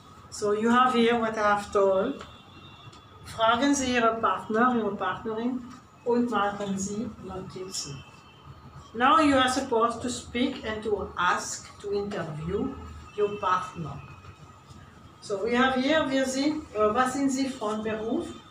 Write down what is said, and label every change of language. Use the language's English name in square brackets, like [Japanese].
[English] So, you have here what I have told. [German] Fragen Sie Ihre Partner, Ihre Partnerin, und machen Sie Notizen. [English] Now you are supposed to speak and to ask, to interview your partner. So we have here, [German] wir sind, was sind Sie von Beruf?